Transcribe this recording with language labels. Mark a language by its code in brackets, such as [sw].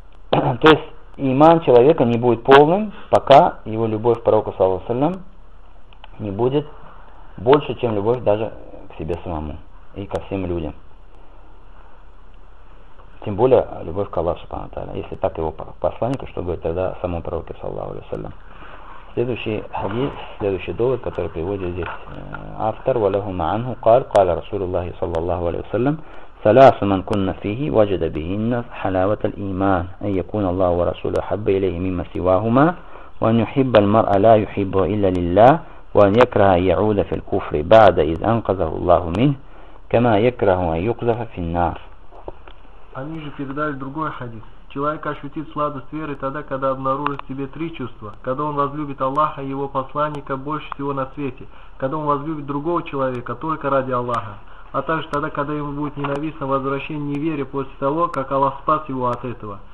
[ru] То есть иман человека не будет полным, пока его любовь к пророку, саллаллаху алейхи ва саллям, не будет больше, чем любовь даже к себе самому и ко всем людям. Тем более любовь к Аллаху субхана ва тааля. Если так его посланнику, что говорит тогда самому пророку, саллаллаху алейхи ва саллям. Следующий хадис, следующий довод, который приводит здесь автор, валяху ма'анху, каля Расулуллахи, саллаллаху алейхи ва саллям, [ar] ثلاث من كنا فيه وجد بهن حلاوة الإيمان أن يكون الله ورسوله أحب إليه مما سواهما وأن يحب المرء لا يحبه إلا لله وأن يكره أن يعود في الكفر بعد إذ أنقذه الله منه كما يكره أن يقذف في النار. [ru] Они же передали другой хадис. Человек ощутит сладость веры тогда, когда обнаружит в себе три чувства. Когда он возлюбит Аллаха и его посланника больше всего на свете. Когда он возлюбит другого человека только ради Аллаха. А также тогда, когда ему будет ненавистно возвращение неверия после того, как Аллах спас его от этого.